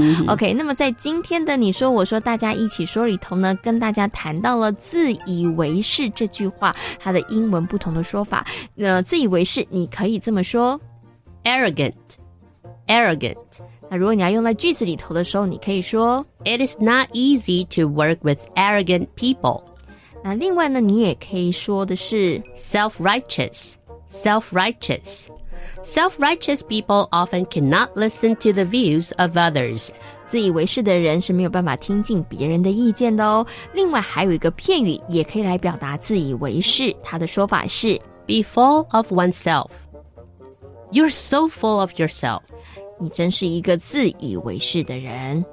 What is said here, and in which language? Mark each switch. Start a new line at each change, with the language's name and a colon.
Chinese: OK， 那么在今天的你说我说大家一起说里头呢，跟大家谈到了自以为是这句话它的英文不同的说法。自以为是你可以这么说
English: Arrogant.
Chinese: 那如果你要用在句子里头的时候，你可以说
English: It is not easy to work with arrogant people.
Chinese: 那另外呢，你也可以说的是
English: Self-righteous. Self-righteous people often cannot listen to the views of others.
Chinese: 自以为是的人是没有办法听进别人的意见的哦。另外还有一个片语也可以来表达自以为是，它的说法是
English: Be full of oneself. You're so full of yourself.
Chinese: 你真是一个自以为是的人。